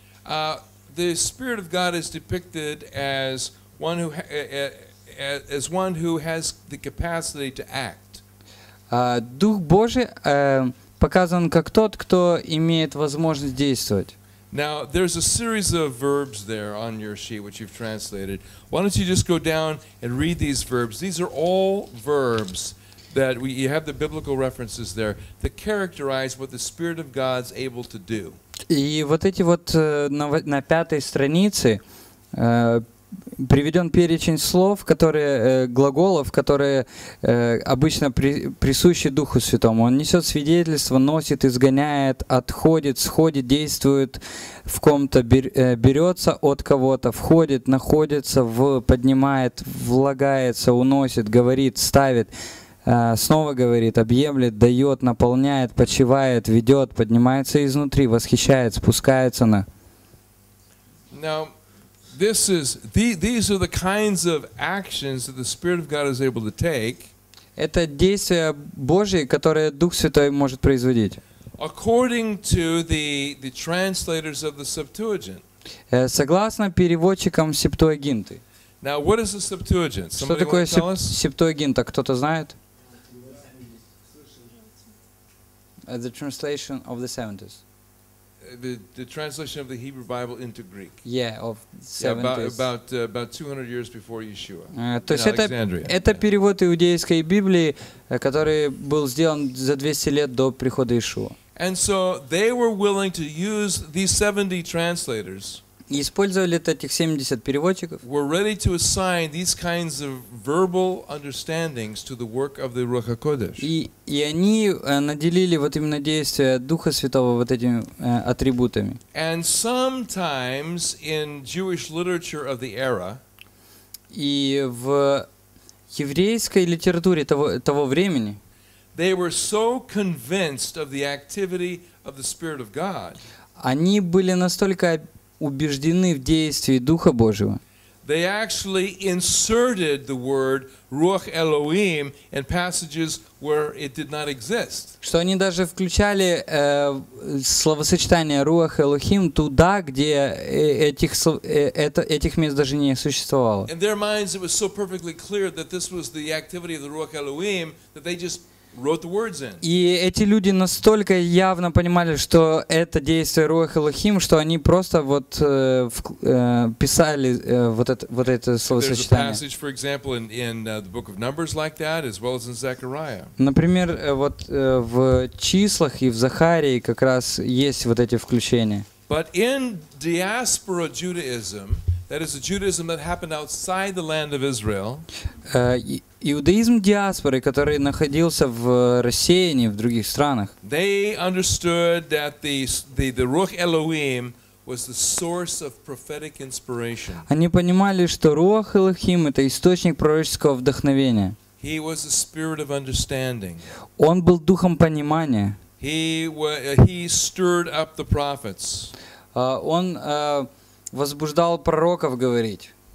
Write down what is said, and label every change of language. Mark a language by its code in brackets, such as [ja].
[en] The Spirit of God is depicted as one who as one who has the capacity to act. [ru] Дух Божий показан как тот, кто имеет возможность действовать. [en] Now, there's a series of verbs there on your sheet, which you've translated. Why don't you just go down and read these verbs? These are all verbs that you have the biblical references there that characterize what the Spirit of God's able to do. [ru] И вот эти вот на пятой странице приведен перечень слов, которые глаголов, которые обычно присущи Духу Святому. Он несет свидетельство, носит, изгоняет, отходит, сходит, действует в ком-то, берется от кого-то, входит, находится, поднимает, влагается, уносит, говорит, ставит, снова говорит, объемлет, дает, наполняет, почивает, ведет, поднимается изнутри, восхищает, спускается на. [en] This is these are the kinds of actions that the Spirit of God is able to take. [ru] Это действия Божьи, которые Дух Святой может производить. [en] According to the translators of the Septuagint. [ru] Согласно переводчикам Септуагинты. [en] Now, what is the Septuagint? [ru] Что такое Септуагинта? Кто-то знает? [en] The translation of the 70s. The translation of the Hebrew Bible into Greek. Yeah, of 70s. Yeah, about 200 years before Yeshua. [ru] То есть это перевод иудейской Библии, который был сделан за 200 лет до прихода Иешуа. [en] And so they were willing to use these 70 translators. [ru] Использовали этих 70 переводчиков. [en] Were ready to assign these kinds of verbal understandings to the work of the Ruach HaKodesh. [ru] И они наделили вот именно действия Духа Святого вот этими атрибутами. [en] And sometimes in Jewish literature of the era. [ru] И в еврейской литературе того времени. [en] They were so convinced of the activity of the Spirit of God. [ru] Они были настолько убеждены в действии Духа Божьего. [en] They actually inserted the word Ruach Elohim in passages where it did not exist. [ru] Что они даже включали словосочетание Ruach Elohim туда, где этих мест даже не существовало. [en] In their minds it was so perfectly clear that this was the activity of the Ruach Elohim that they just wrote the words in. [ru] И эти люди настолько явно понимали, что это действие Руах Элохим, что они просто вот писали вот это словосочетание. [en] There's a passage, for example, in the book of Numbers like that, as well as in Zechariah. [ru] Например, вот в числах и в Захарии как раз есть вот эти включения. [en] But in diaspora Judaism, that is the Judaism that happened outside the land of Israel. [ru] Иудаизм диаспоры, который находился в рассеянии в других странах. [en] They understood that the Ruach Elohim was the source of prophetic inspiration. [ru] Они понимали, что Руах Элохим — это источник пророческого вдохновения. [en] He was the spirit of understanding. [ru] Он был духом понимания. [en] He stirred up the prophets. [ru] Он возбуждал пророков говорить.